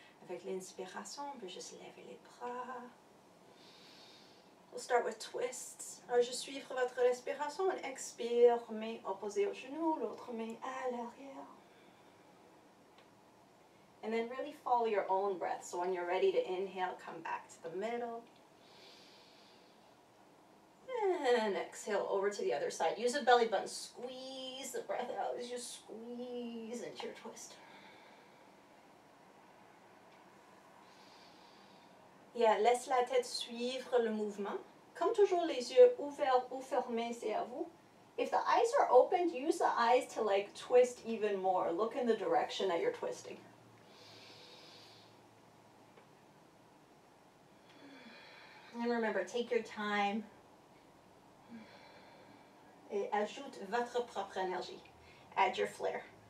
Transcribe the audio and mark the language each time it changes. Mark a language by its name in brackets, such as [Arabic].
[French] Avec l'inspiration, on peut juste lever les bras. [English] We'll start with twists. [French] Alors, je suivre votre respiration. On expire, main opposée au genou, l'autre main à l'arrière. [English] And then really follow your own breath. So when you're ready to inhale, come back to the middle. And exhale over to the other side. Use a belly button. Squeeze the breath out as you squeeze into your twist. [French] Yeah, laisse la tête suivre le mouvement. Comme toujours, les yeux ouverts ou fermés, c'est à vous. [English] If the eyes are opened, use the eyes to like twist even more. Look in the direction that you're twisting. And remember, take your time. [French] Et ajoute votre propre énergie. [English] Add your flair.